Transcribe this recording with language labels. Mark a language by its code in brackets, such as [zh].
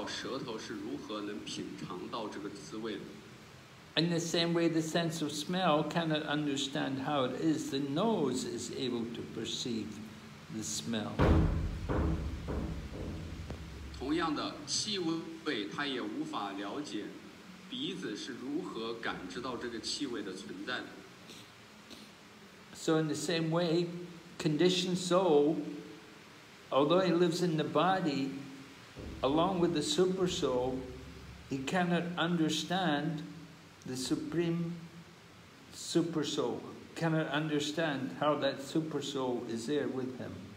[zh] 这个滋味它并不知道舌头是如何能品尝到这个滋味的。 [en] In the same way, the sense of smell cannot understand how it is the nose is able to perceive the smell. [zh] 同样的气味它也无法了解鼻子是如何感知到这个气味的存在的。 [en] So in the same way, conditioned soul, although he lives in the body, along with the super soul, he cannot understand the supreme super soul, cannot understand how that super soul is there with him.